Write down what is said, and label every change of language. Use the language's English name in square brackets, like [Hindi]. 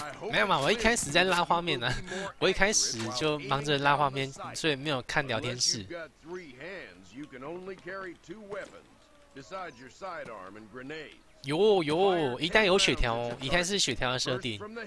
[Chinese] 没有嘛，我一开始在拉画面呢、啊，我一开始就忙着拉画面，所以没有看聊天室。 [English] You can only carry two weapons, besides your sidearm and grenades. [Chinese] 有有，一旦有血条，一旦是血条的设定。